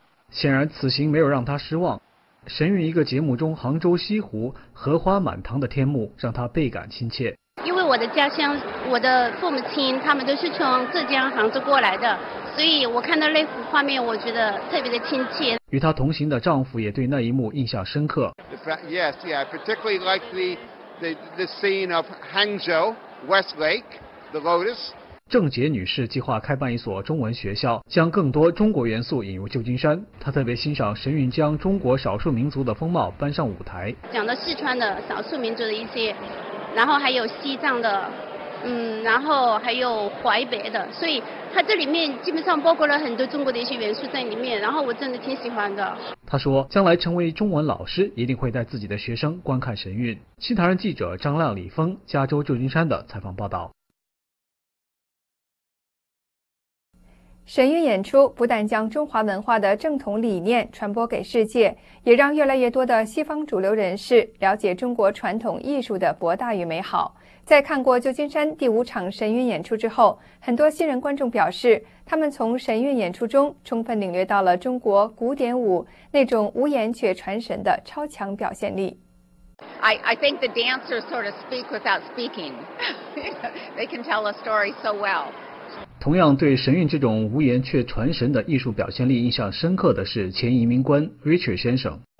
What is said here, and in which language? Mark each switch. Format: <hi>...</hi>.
<zh>显然此行没有让他失望，神韵一个节目中杭州西湖荷花满堂的天幕让他倍感亲切。因为我的家乡，我的父母亲他们都是从浙江杭州过来的，所以我看到那幅画面我觉得特别的亲切。与她同行的丈夫也对那一幕印象深刻。</zh> <en>Yes, yeah, particularly like the scene of Hangzhou, West Lake, the Lotus.</en> <zh>郑杰女士计划开办一所中文学校，将更多中国元素引入旧金山。她特别欣赏神韵将中国少数民族的风貌搬上舞台，讲到四川的少数民族的一些，然后还有西藏的，然后还有淮北的，所以它这里面基本上包括了很多中国的一些元素在里面，然后我真的挺喜欢的。他说将来成为中文老师，一定会带自己的学生观看神韵。新唐人记者张亮、李峰，加州旧金山的采访报道。神韵演出不但将中华文化的正统理念传播给世界，也让越来越多的西方主流人士了解中国传统艺术的博大与美好。在看过旧金山第五场神韵演出之后，很多新人观众表示，他们从神韵演出中充分领略到了中国古典舞那种无言却传神的超强表现力。</zh> <en>I think the dancers sort of speak without speaking. They can tell a story so well.</en> <zh>同样对神韵这种无言却传神的艺术表现力印象深刻的是前移民官 Richard 先生。</zh>